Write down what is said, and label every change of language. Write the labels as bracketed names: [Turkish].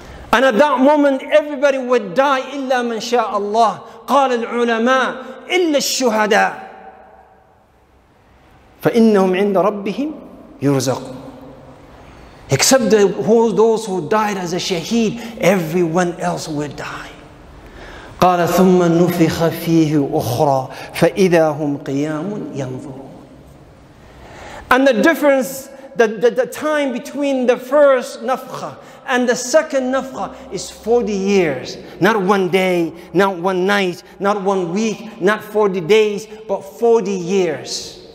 [English] And at that moment, everybody would die, [Arabic] إِلَّا مَنْ شَاءَ اللَّهِ. قَالَ الْعُلَمَاءُ إِلَّا الشُّهَدَاءُ فَإِنَّهُمْ عِنْدَ رَبِّهِمْ يُرْزَقُونَ. [English] Except those who died as a shaheed, everyone else will die. [Arabic] قال ثم نفخ فيه أخرى فإذا هم قيام ينظرون. [English] And the difference, the time between the first nafkha and the second nafkha is 40 years. Not one day, not one night, not one week, not 40 days, but 40 years.